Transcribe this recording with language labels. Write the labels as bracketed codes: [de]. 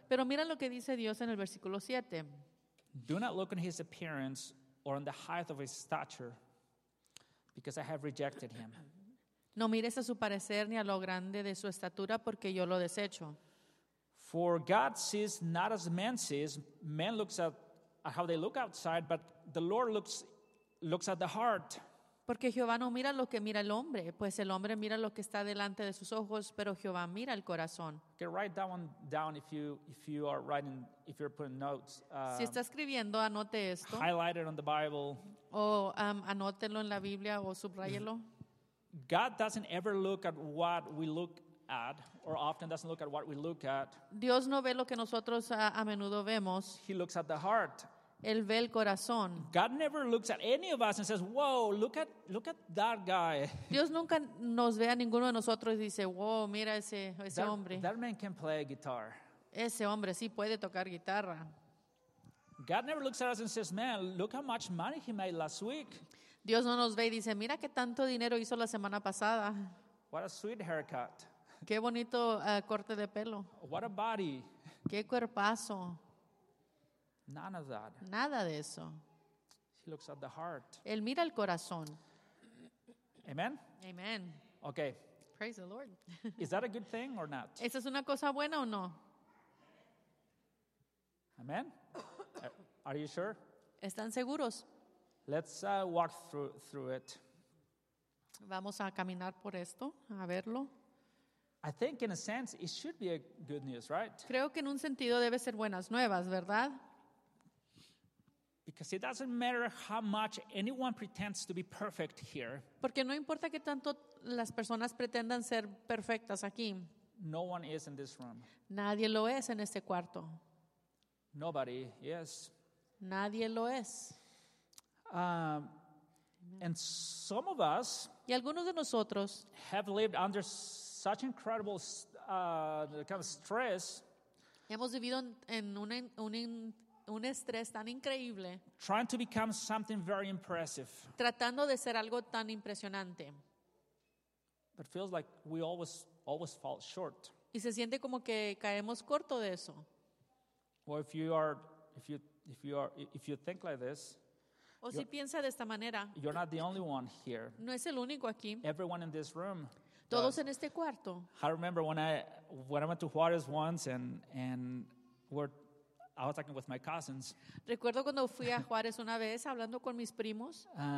[es] Pero mira lo que dice Dios en el versículo 7. [en] Do not look on his appearance or on the height of his stature, because I have rejected him. [es] No mires a su parecer ni a lo grande de su estatura, porque yo lo desecho. [en] For God sees not as man sees. Man looks at how they look outside, but the Lord looks at the heart. [es] Porque Jehová no mira lo que mira el hombre, pues el hombre mira lo que está delante de sus ojos, pero Jehová mira el corazón. [en] Okay, write that one down if you are writing, if you're putting notes. [es] Si está escribiendo, anote esto. [en] Highlight it on the Bible. [es] O anótelo en la Biblia o subráyelo. [en] God doesn't ever look at what we look at, or often doesn't look at what we look at. [es] Dios no ve lo que nosotros a menudo vemos. [en] He looks at the heart. [es] Él ve el corazón. [en] God never looks at any of us and says, "Whoa, look at that guy." [es] Dios nunca nos ve a ninguno de nosotros y dice, "Whoa, mira ese [en] that, [es] hombre." [en] That man can play guitar. [es] Ese hombre sí puede tocar guitarra. [en] God never looks at us and says, "Man, look how much money he made last week." [es] Dios no nos ve y dice, "Mira qué tanto dinero hizo la semana pasada." [en] What a sweet haircut. [es] Qué bonito corte de pelo. [en] What a body. [es] Qué cuerpazo. [en] None of that. [es] Nada de eso. [en] He looks at the heart. [es] Él mira el corazón. [en] Amen. Amen. Okay. Praise the Lord. Is that a good thing or not? [es] ¿Esa es una cosa buena o no? [en] Amen. Are you sure? [es] ¿Están seguros? [en] Let's walk through it. [es] Vamos a caminar por esto, a verlo. [en] I think in a sense it should be a good news, right? [es] Creo que en un sentido debe ser buenas nuevas, ¿verdad? [en] Because it doesn't matter how much anyone pretends to be perfect here. [es] Porque no importa que tanto las personas pretendan ser perfectas aquí. [en] No one is in this room. [es] Nadie lo es en este cuarto. [en] Nobody, yes. [es] Nadie lo es. [en] And some of us, [es] y algunos de nosotros, [en] have lived under such incredible kind of stress. [es] Hemos vivido en un estrés tan increíble. [en] Trying to become something very impressive. [es] Tratando de ser algo tan impresionante. [en] But it feels like we always fall short. [es] Y se siente como que caemos corto de eso. [en] Well, if you think like this. [es] O si piensa de esta manera. [en] You're not the only one here. [es] No es el único aquí. [en] Everyone in this room. [es] Todos en este cuarto. [en] I remember when I went to Juarez once I was talking with my cousins. [es] Recuerdo cuando fui a Juárez una vez hablando con mis primos.